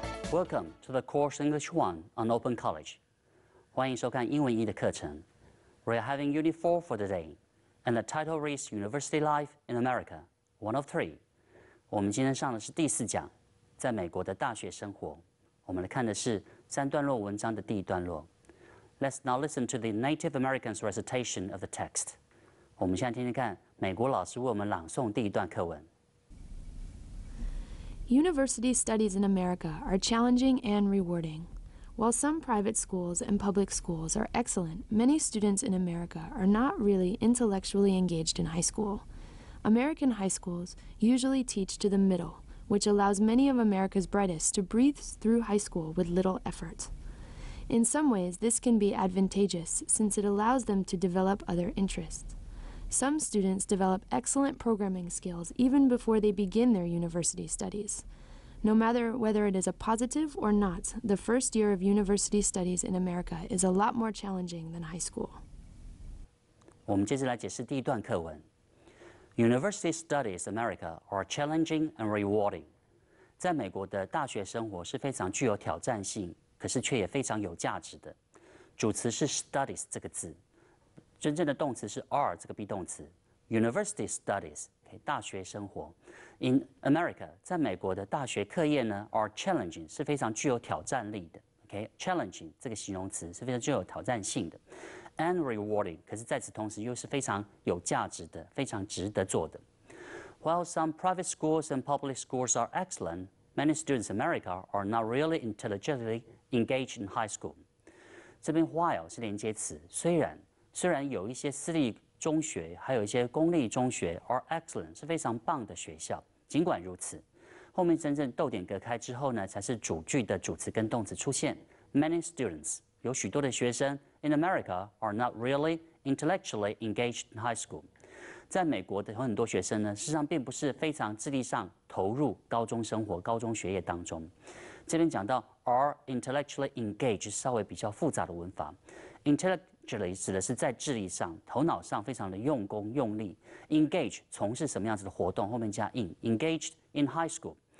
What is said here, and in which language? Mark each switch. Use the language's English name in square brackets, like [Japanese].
[English] Welcome to the course English 1 on Open College. [Chinese] 欢迎收看英文一的课程。 [English] We are having Unit 4 for today, and the title reads University Life in America, 1 of 3. [Chinese] 我们今天上的是第四讲，在美国的大学生活。我们来看的是三段落文章的第一段落。 [English] Let's now listen to the Native American's recitation of the text. [Chinese] 我们现在听听看美国老师为我们朗诵第一段课文。 [English] University studies in America are challenging and rewarding. While some private schools and public schools are excellent, many students in America are not really intellectually engaged in high school. American high schools usually teach to the middle, which allows many of America's brightest to breathe through high school with little effort. In some ways, this can be advantageous since it allows them to develop other interests. Some students develop excellent programming skills even before they begin their university studies. No matter whether it is a positive or not, the first year of university studies in America is a lot more challenging than high school. [Chinese] 我们接着来解释第一段课文。 [English] University studies in America are challenging and rewarding. [Chinese] 在美国的大学生活是非常具有挑战性，可是却也非常有价值的。主词是 studies 这个字。真正的动词是 are 这个 be 动词 [English] University studies、okay, [Chinese] 大学生活 [English] In America [Chinese] 在美国的大学课业呢 [English] are challenging [Chinese] 是非常具有挑战力的 okay, challenging 这个形容词是非常具有挑战性的 [English] and rewarding [Chinese] 可是在此同时又是非常有价值的非常值得做的 [English] While some private schools and public schools are excellent many students in America are not really intelligently engaged in high school [Chinese] 这边 while 是连接词虽然有一些私立中学，还有一些公立中学 are excellent 是非常棒的学校。尽管如此，后面真正逗点隔开之后呢，才是主句的主词跟动词出现。 [English] Many students [Chinese] 有许多的学生 [English] in America are not really intellectually engaged in high school。 [Chinese] 在美国的有很多学生呢，事实上并不是非常智力上投入高中生活、高中学业当中。这边讲到 [English] are intellectually engaged [Chinese] 稍微比较复杂的文法 intellectually 指的是在智力上头脑上非常的用功用力 engage 从事什么样子的活动后面加 in [English] engaged in high school